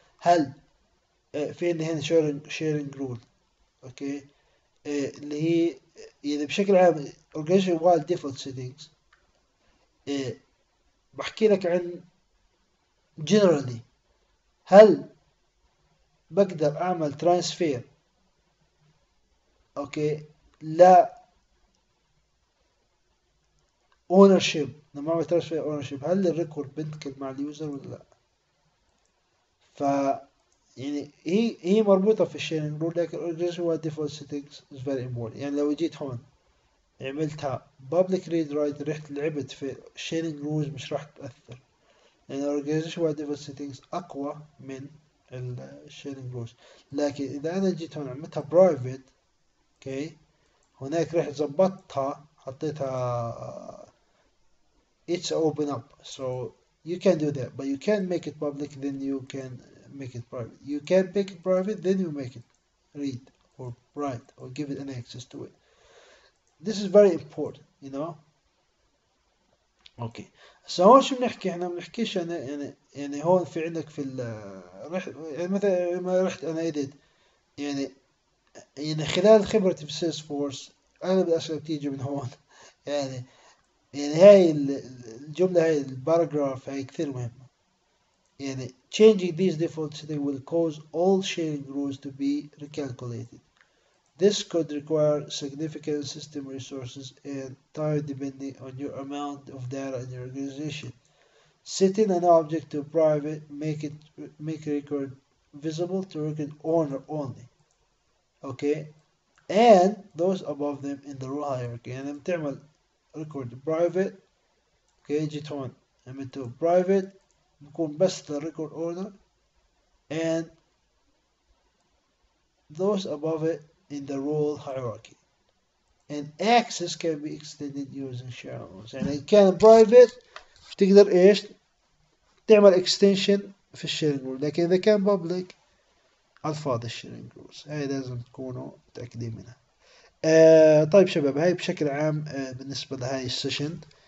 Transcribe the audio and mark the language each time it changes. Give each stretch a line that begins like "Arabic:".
Arabic: هل في عندي هنا sharing rule اوكي اللي هي يعني بشكل عام organization wide default settings بحكي لك عن generally هل بقدر اعمل transfer اوكي لا ownership لما اعمل transfer ownership هل الريكورد بنتكل مع اليوزر ولا لا.
English: ف يعني هي مربوطة في sharing rule لكن organization wide default settings is very important.
Arabic: يعني لو جيت هون عملتها public read write رحت لعبت في sharing rules مش راح تأثر لأن يعني organization wide default settings أقوى من ال sharing rules.
English: لكن إذا أنا جيت هون عملتها private okay هناك رحت ظبطتها حطيتها it's open up so you can do that but you can't make it public then you can make it private. You can make it private then you make it read or write or give it an access to it. This is very important, you know. Okay.
Arabic: So هون شو بنحكي؟ احنا ما بنحكيش انا يعني هون في عندك في ال يعني مثلا ما رحت انا ايديت يعني خلال خبرتي في سيلز فورس اغلب الاسئله بتيجي من هون يعني هاي الجمله هاي الباراجراف هاي كثير مهمه يعني changing these default settings will cause all sharing rules to be recalculated.
English: This could require significant system resources and time depending on your amount of data in your organization. Setting an object to private make record visible to record owner only. Okay? And those above them in the role hierarchy. And تعمل record private.
Arabic: Okay, جيت هون. عملت private.
English: بكون بس the record owner. And those above it in the role hierarchy and access can be extended using share rules.
Arabic: يعني كان private تقدر ايش تعمل extension في sharing rule لكن اذا كان public الفاضي sharing rules هاي لازم تكونوا متأكدين منها. طيب شباب هاي بشكل عام بالنسبة لهاي السيشن